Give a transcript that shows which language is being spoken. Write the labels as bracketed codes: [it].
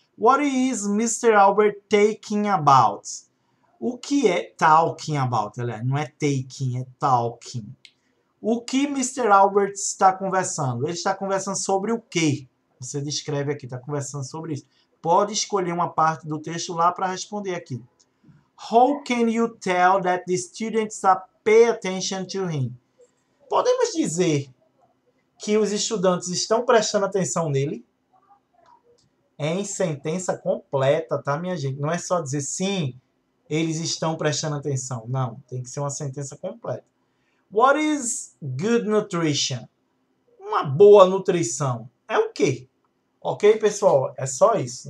[en] What is Mr. Albert talking about? [pt] O que é talking about? Aliás, não é taking, é talking. O que Mr. Albert está conversando? Ele está conversando sobre o quê? Você descreve aqui, está conversando sobre isso. Pode escolher uma parte do texto lá para responder aqui. [en] How can you tell that the students are paying attention to him? [pt] Podemos dizer que os estudantes estão prestando atenção nele? Em sentença completa, tá, minha gente? Não é só dizer sim, eles estão prestando atenção. Não, tem que ser uma sentença completa. [en] What is good nutrition? [pt] Uma boa nutrição é o quê? Ok, pessoal? É só isso.